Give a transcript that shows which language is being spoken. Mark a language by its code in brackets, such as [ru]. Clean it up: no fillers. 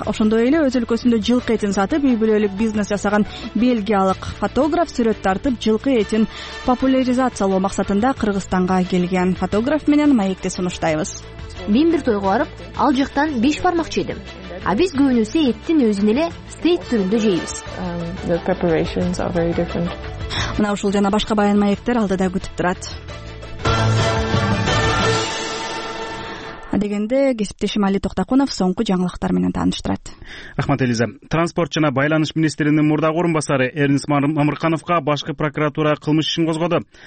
[ky] Ошондой эле өз өлкөсүндө жылкы этин сатып, үй бүлөлүк бизнес жасаган бельгиялык фотограф сүрөт тартып, жылкы этин популяризациялоо максатында Кыргызстанга келген фотограф менен маекте сунуштайбыз. Мен бир тойго барып, ал жактан беш бармак жедим. А биз көбүнөсө эттин өзүн эле стейк түрүндө жейбиз. [en] The preparations are very different. [ky] Мына ушул жана башка баян маектер алдыда күтүп турат. Дегенде кесиптешим Али Токтокунов соңку жаңылыктар менен тааныштырат. Рахмат Элиза. Транспорт жана байланыш министринин мурдагы орун басары Эрнист Мамыркановго башкы прокуратура кылмыш ишин козгоду.